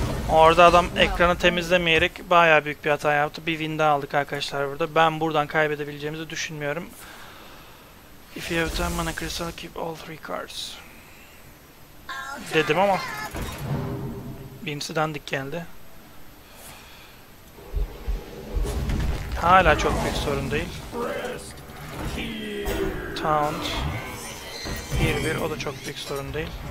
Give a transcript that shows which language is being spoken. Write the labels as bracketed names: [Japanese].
[Turkish] Orada adam ekranı temizlemeyerek bayağı büyük bir hata yaptı. Bir win daha aldık arkadaşlar burada. Ben buradan kaybedebileceğimizi düşünmüyorum. [English] If you have 10 mana crystal, keep all 3 cards. [Turkish] Dedim ama. Birincisi dandik geldi. Hala çok büyük sorun değil. Taunt. 1-1 o da çok büyük sorun değil.